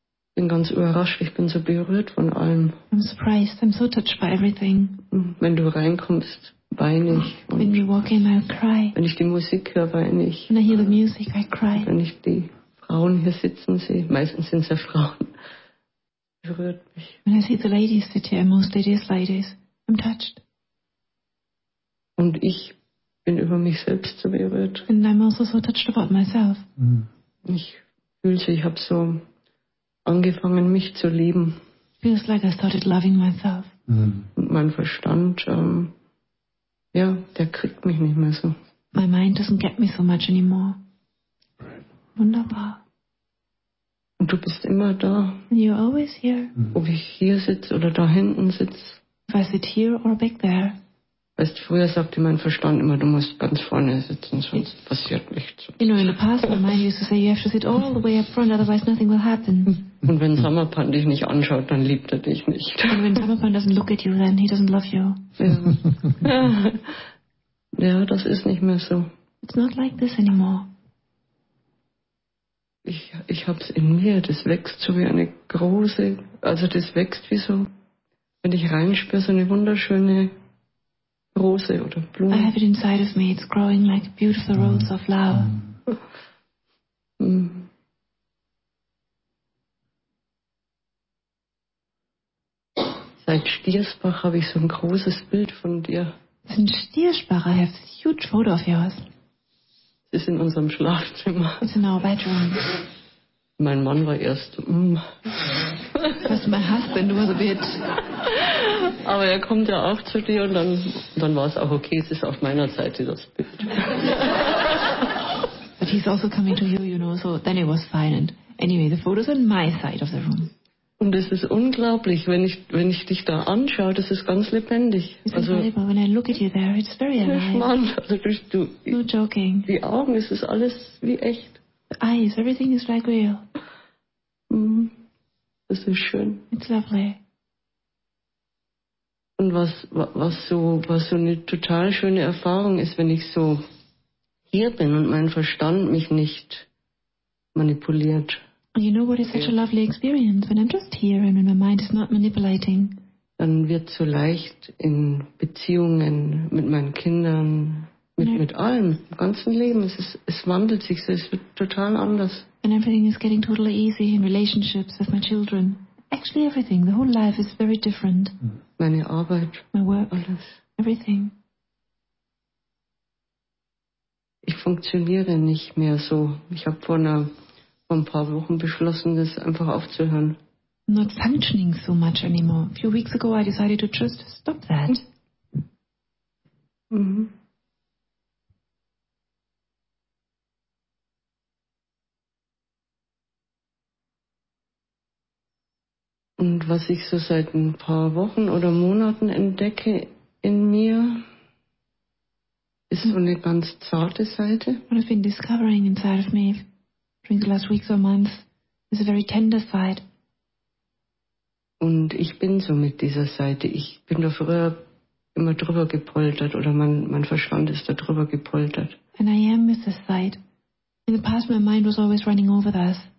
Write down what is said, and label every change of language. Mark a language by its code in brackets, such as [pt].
[de] Ich bin ganz überrascht, ich bin so berührt von allem. [en] I'm surprised, I'm so touched by everything. [de] Wenn du reinkommst, weine ich. [en] Und when you walk in, I cry. [de] Wenn ich die Musik höre, weine ich. [en] When I hear the music, I cry. [de] Wenn ich die Frauen hier sitzen sehe, meistens sind es ja Frauen, berührt mich. [en] When I see the ladies sit here, mostly it is ladies, I'm touched. [de] Und ich bin über mich selbst so berührt. [en] And I'm also so touched about myself. [de] Ich fühle so, ich habe so angefangen, mich zu lieben. [en] It feels like I started loving myself. [de] Und mein Verstand, ja, der kriegt mich nicht mehr so. [en] My mind doesn't get me so much anymore. [de] Wunderbar. Und du bist immer da. [en] And you're always here. [de] Ob ich hier sitze oder da hinten sitze. [en] If I sit here or back there. [de] Weißt du, früher sagte mein Verstand immer, du musst ganz vorne sitzen, sonst passiert nichts. [en] You know, in the past, my mind used to say, you have to sit all the way up front, otherwise nothing will happen. [de] Und wenn Summerpan dich nicht anschaut, dann liebt er dich nicht. [en] And when Summerpan doesn't look at you, then he doesn't love you. [de] Ja. Ja, das ist nicht mehr so. [en] It's not like this anymore. [de] Ich hab's in mir, das wächst so wie eine große, also das wächst wie so, wenn ich reinspür, so eine wunderschöne Rose oder Blume. [en] I have it inside of me, it's growing like a beautiful rose of love. [de] Seit Stiersbach habe ich so ein großes Bild von dir. Seit Stiersbach, [en] I have this huge photo of yours. [de] Es ist in unserem Schlafzimmer. [en] It's in our bedroom. [de] Mein Mann war erst, [en] First my husband was a bit. [de] Aber er kommt ja auch zu dir und dann war es auch okay, es ist auf meiner Seite das Bild. [en] But he's also coming to you, you know, so then it was fine. And anyway, the photo's on my side of the room. [de] Und es ist unglaublich, wenn ich dich da anschaue, das ist ganz lebendig. [en] It's also, incredible, when I look at you there, it's very alive. [de] Mann, also bist du. [en] No joking. [de] Die Augen, es ist alles wie echt. [en] Eyes, everything is like real. [de] Das ist schön. [en] It's lovely. [de] Und was so eine total schöne Erfahrung ist, wenn ich so hier bin und mein Verstand mich nicht manipuliert. [en] You know what is such a lovely experience? When I'm just here and when my mind is not manipulating. [de] Dann wird so leicht in Beziehungen mit meinen Kindern. Mit allem, im ganzen Leben, es wandelt sich so, es wird total anders. [en] And everything is getting totally easy in relationships with my children. Actually everything, the whole life is very different. [de] Meine Arbeit. [en] My work. [de] Alles. [en] Everything. [de] Ich funktioniere nicht mehr so. Ich habe vor ein paar Wochen beschlossen, das einfach aufzuhören. [en] I'm not functioning so much anymore. A few weeks ago I decided to just stop that. [de] Und was ich so seit ein paar Wochen oder Monaten entdecke in mir, ist so eine ganz zarte Seite. [en] What I've been discovering inside of me during the last weeks or months is a very tender side. [de] Und ich bin so mit dieser Seite. Ich bin da früher immer drüber gepoltert oder mein Verstand ist da drüber gepoltert. [en] And I am with this side. In the past my mind was always running over this.